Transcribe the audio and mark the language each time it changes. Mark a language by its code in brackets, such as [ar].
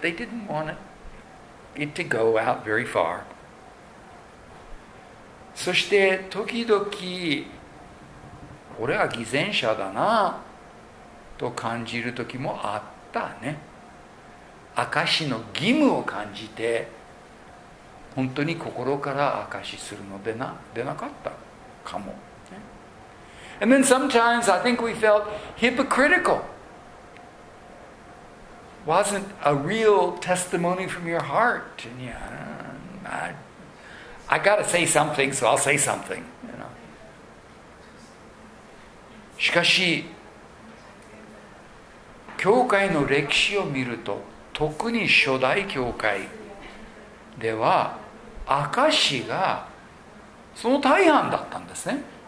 [en] They didn't want it to go out very far. [ja] そして時々俺は偽善者だなと感じる時もあったね。証しの義務を感じて本当に心から証しするのでな、でなかったかも。 [en] And then sometimes I think we felt hypocritical. Wasn't a real testimony from your heart. And I gotta say something, so I'll say something. [ja] しかし教会の歴史を見ると特に初代教会では証しがその大半だったんですね。